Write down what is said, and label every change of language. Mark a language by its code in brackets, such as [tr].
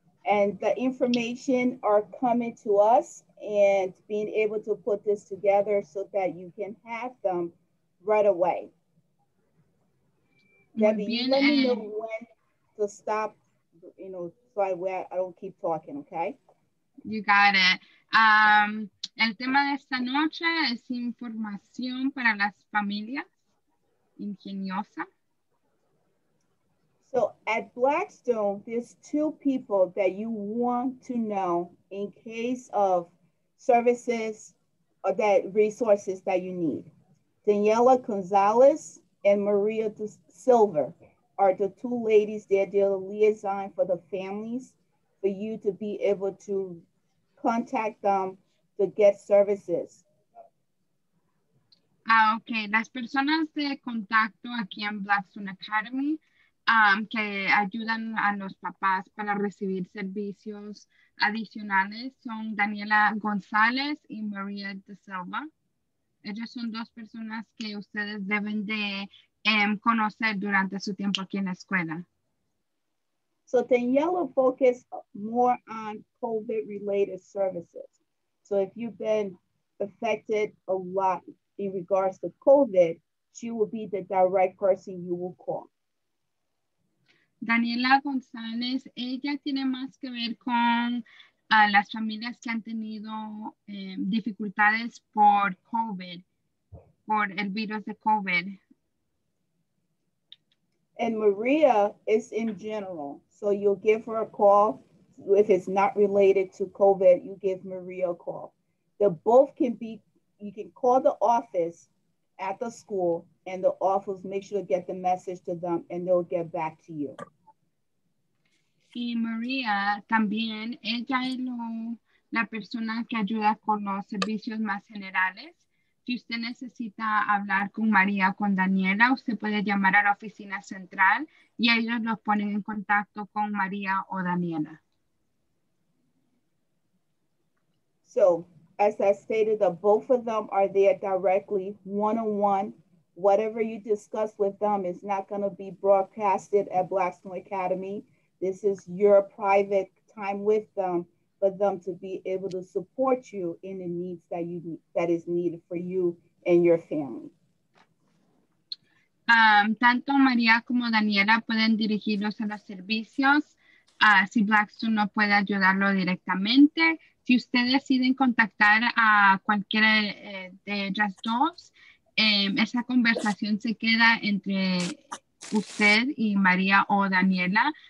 [en] And the information are coming to us and being able to put this together so that you can have them right away. Debbie, bien, let me know when to stop, you know, so I don't keep talking, okay? You got it. [es] El tema de esta noche es información para las familias ingeniosa. [en] So at Blackstone, there's two people that you want to know in case of services or that resources that you need. Daniela Gonzalez and Maria Silver are the two ladies there. They're the liaison for the families for you to be able to contact them to get services. Ah, okay. [es] Las personas de contacto aquí en Blackstone Academy que ayudan a los papás para recibir servicios adicionales son Daniela González y María de Silva. Ellas son dos personas que ustedes deben de conocer durante su tiempo aquí en la escuela. [en] So Daniela focused more on COVID-related services. So if you've been affected a lot in regards to COVID, she will be the direct person you will call. [es] Daniela González, ella tiene más que ver con las familias que han tenido dificultades por COVID, por el virus de COVID. [en] And Maria is in general. So you'll give her a call. If it's not related to COVID, you give Maria a call. The both can be, you can call the office at the school and the office make sure to get the message to them and they'll get back to you. [es] Y María también, ella es la persona que ayuda con los servicios más generales. Si usted necesita hablar con María, con Daniela, usted puede llamar a la oficina central y ellos los ponen en contacto con María o Daniela. [en] So, as I stated, that both of them are there directly, one-on-one. Whatever you discuss with them is not going to be broadcasted at Blackstone Academy. This is your private time with them, for them to be able to support you in the needs that you need, that is needed for you and your family. [es] Tanto María como Daniela pueden dirigirlos a los servicios. Si Blackstone no puede ayudarlo directamente, si ustedes deciden contactar a cualquiera de ellas dos, esa conversación se queda entre usted y María o Daniela.